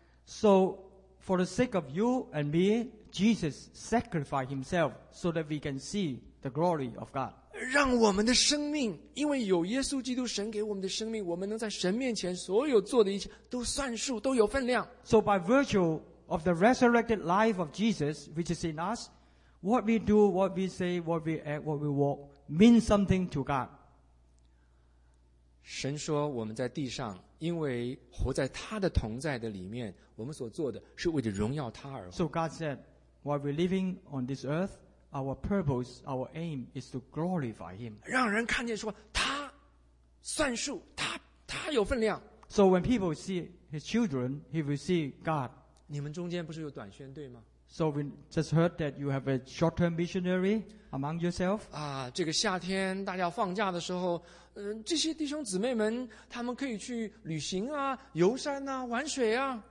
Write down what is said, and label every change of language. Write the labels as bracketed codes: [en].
[en] So for the sake of you and me,Jesus sacrificed himself so that we can see the glory of God. [zh] 让我们的生命，因为有耶稣基督神给我们的生命，我们能在神面前所有做的一切都算数，都有分量。 [en] So by virtue of the resurrected life of Jesus, which is in us, what we do, what we say, what we act, what we walk, means something to God. [zh] 神说我们在地上因为活在他的同在的里面，我们所做的是为了荣耀他而活。 [en] So God said, while we're living on this earth, our purpose, our aim is to glorify him. [zh] 让人看见说他算数，他有分量。 [en] So when people see his children, he will see God. [zh] 你们中间不是有短宣队吗？ [en] So we just heard that you have a short-term missionary among yourself. [zh] 这个夏天大家放假的时候，这些弟兄姊妹们他们可以去旅行啊，游山啊，玩水啊。